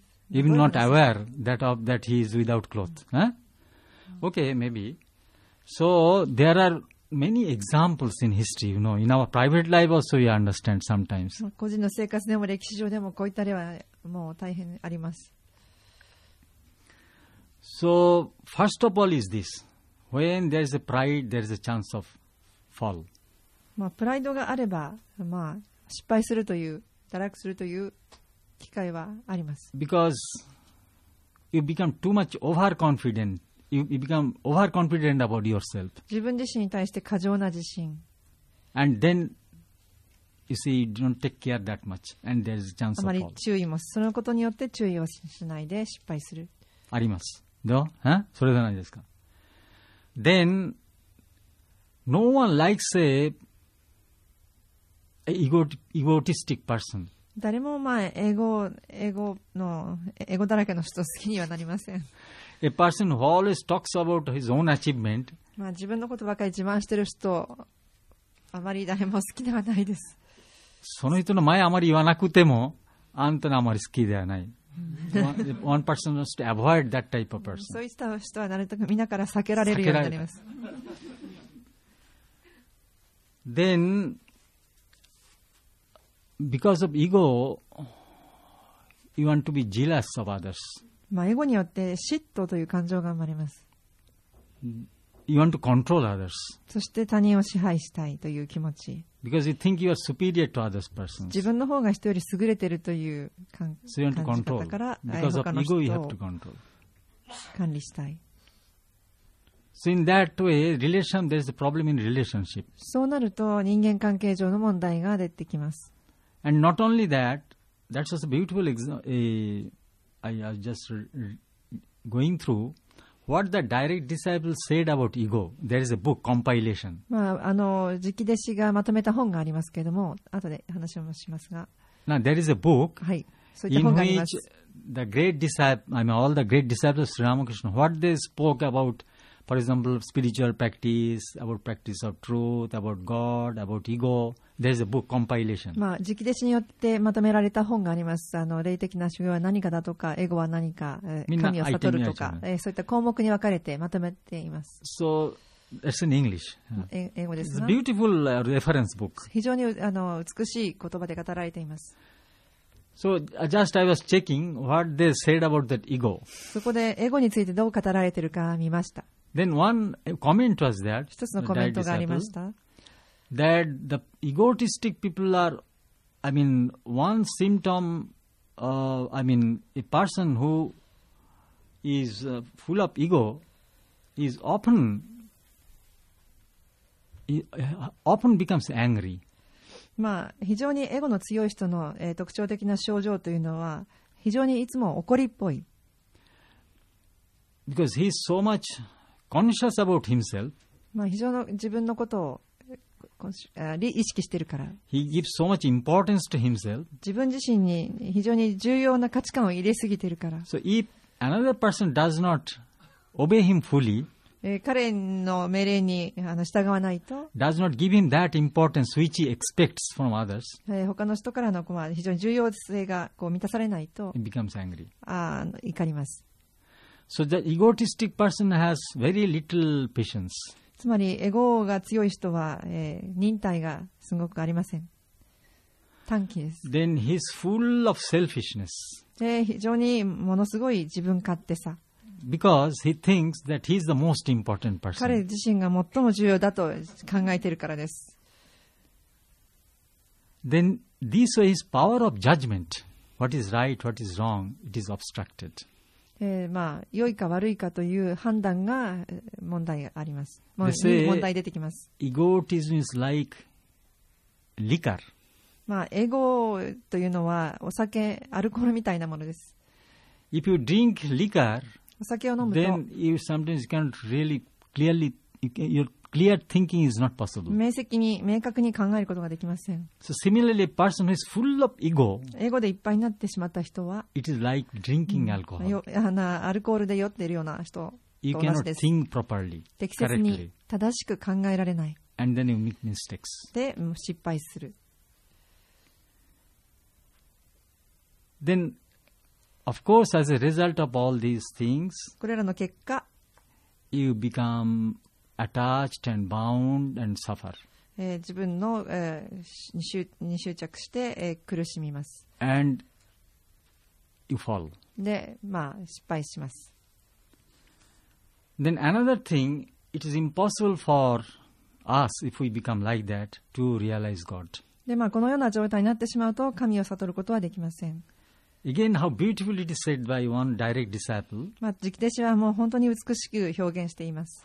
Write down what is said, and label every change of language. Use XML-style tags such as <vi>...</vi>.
<en>Even not aware that he is without clothes.、Okay, maybe. So there are many examples in history, you know, in our private life also we understand sometimes.</en> <ja>個人の生活でも歴史上でもこういった例はもう大変あります。</ja> <en>So, first of all is this. When there is a pride, there is a chance of fall.</en> <ja>まあ、プライドがあれば、まあ、失敗するという、堕落するという機会はあります。</ja> <en>Because you become too much overconfident. You become overconfident about yourself.</en> <ja>自分自身に対して過剰な自信。</ja> <en>And then, you see, you don't take care that much. And there is a chance of fall.</en> <ja>あまり注意も、そのことによって注意をしないで失敗する。あります。どう？は？それじゃないですか。</ja> <en>Then, no one likes a egotistic person.</en> <ja>誰もまあ英語だらけの人好きにはなりません。</ja> <en>A person who always talks about his own achievement.</en> <ja>まあ自分のことばかり自慢してる人、あまり誰も好きではないです。その人の前あまり言わなくても、あんたのあまり好きではない。</ja> <en>One person has to avoid that type of person.</en> <ja>そういった人はなるべくみんなから避けられるようになります。</ja> <en>Then, because of ego, you want to be jealous of others.</en> <ja>まあ、エゴによって嫉妬という感情が生まれます。</ja> <en>You want to control others.</en> <ja>そして他人を支配したいという気持ち。</ja> <en>Because you think you are superior to other persons.</en> <ja>自分の方が人より優れているという感じ方から、他の人を</ja> <en>you have to control.</en> <ja>管理したい。</ja> <en>So in that way, relation, there is a problem in relationship.</en> <ja>そうなると人間関係上の問題が出てきます。</ja> <en>And not only that, that's just a beautiful example. I was just going through. What the direct disciple said about ego. There is a book compilation.</en> <ja>まあ、あの、直弟子がまとめた本がありますけれども、後で話をしますが。</ja> <en>Now, there is a book、</en> <ja>はい、そういった本があります。</ja> <en>In which the great disciple, I mean, all the great disciples of Sri Ramakrishna, what they spoke about, for example, spiritual practice, about practice of truth, about God, about ego. There is a book compilation.</en> <ja>まあ、直弟子によってまとめられた本があります。あの、霊的な修行は何かだとか、エゴは何か、神を悟るとか、そういった項目に分かれてまとめています。</ja> <en>So, it's in English.</en> <ja>英語ですが。</ja> <en>It's a beautiful reference book.</en> <ja>非常にあの美しい言葉で語られています。</ja> <en>So, just I was checking what they said about that ego.</en> <ja>そこでエゴについてどう語られているか見ました。</ja> <en>Then one comment was that,</en> <ja>一つのコメントがありました。</ja> <en>That the egotistic people are, I mean, one symptom, I mean, a person who is full of ego is often becomes angry.</en> <ja>まあ、非常にエゴの強い人の、特徴的な症状というのは、非常にいつも怒りっぽい。</ja> <en>Because he is so much conscious about himself.</en> <ja>まあ、非常に自分のことを意識してるから。</ja> <en>He gives so much importance to himself.</en> <ja>自分自身に非常に重要な価値観を入れすぎてるから。</ja> <en>So if another person does not obey him fully,</en> <ja>彼の命令に従わないと、</ja> <en>does not give him that importance which he expects from others,</en> <ja>他の人からの非常に重要性がこう満たされないと、</ja> <en>he becomes angry.</en> <ja>怒ります。</ja> <en>So the egotistic person has very little patience.</en> <ja>つまりエゴが強い人は、忍耐がすごくありません。短気です。</ja> <en>Then he's full of selfishness.</en> <ja>で非常にものすごい自分勝手さ。</ja> <en>Because he thinks that he's the most important person.</en> <ja>彼自身が最も重要だと考えているからです。</ja> <en>Then this way his power of judgment, what is right, what is wrong, it is obstructed.</en> <ja>まあ、良いか悪いかという判断が問題があります。問題出てきます。</ja> <en>Egotism is like liquor.</en> <ja>まあ、エゴというのはお酒、アルコールみたいなものです。</ja> <en>If you drink liquor,</en> <ja>お酒を飲むと、</ja> <en>then you sometimes can't really clearly, your clear thinking is not possible.</en> <ja>明晰に、明確に考えることができません。</ja> <en>So similarly, a person who is full of ego,</en> <ja>エゴでいっぱいになってしまった人は、</ja> <en>it is like drinking alcohol.</en> <ja>アルコールで酔っているような人と同じです。</ja> <en>You cannot think properly,</en> <ja>適切に正しく考えられない。</ja> <en>And then you make mistakes.</en> <ja>で、失敗する。</ja> <en>Then, of course, as a result of all these things,</en> <ja>これらの結果、</ja> <en>you become attached and bound and suffer.</en> <ja>自分の、に執着して、苦しみます。</ja> <en>And you fall.</en> <ja>で、まあ、失敗します。</ja> <en>Then another thing, it is impossible for us, if we become like that, to realize God.</en> <ja>で、まあ、このような状態になってしまうと、神を悟ることはできません。</ja> <en>Again, how beautifully it is said by one direct disciple.</en> <ja>まあ、直弟子はもう本当に美しく表現しています。</ja>